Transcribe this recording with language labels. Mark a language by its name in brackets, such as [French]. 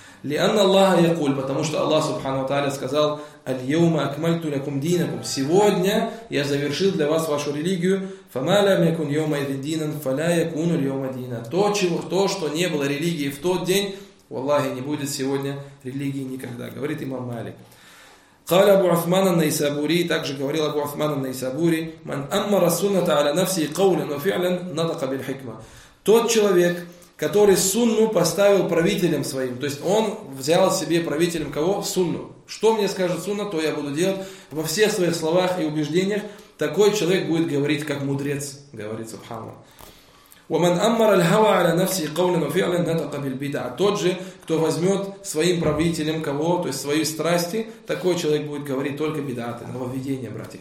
[Arabic] لِأَنَّ اللَّهَ يَقُولُ, [Russian] потому что Аллах Субхану Тааля сказал [Arabic] الْيَوْمَ أَكْمَلْتُ لَكُمْ دِينَكُمْ, [Russian] сегодня я завершил для вас вашу религию, [Arabic] فَمَا لَمْ يَكُنْ يَوْمَ دِينًا فَلَا يَكُنُ الْيَوْمَ دِينًا, [Russian] то, что не было религии в тот день, в Аллахе не будет сегодня религии никогда, говорит имам Малик. [Arabic] قال أبو عثمان النيسابوري, [Russian] также говорил [Arabic] أبو عثمان النيسابوري, من أمر السنة على نفسه قولا وفعلا نطق بالحكمة, [Russian] тот человек, который сунну поставил правителем своим. То есть он взял себе правителем кого? Сунну. Что мне скажет сунна, то я буду делать во всех своих словах и убеждениях. Такой человек будет говорить как мудрец, говорит Субхану. [Arabic] وَمَنْ أَمَّرَ الْهَوَى عَلَى نَفْسِي قَوْلًا وَفِعْلًا نَتَقَ بِالْبِدْعَةِ. [Russian] Тот же, кто возьмет своим правителем кого, то есть свои страсти, такой человек будет говорить только бидааты, нововведения, братья.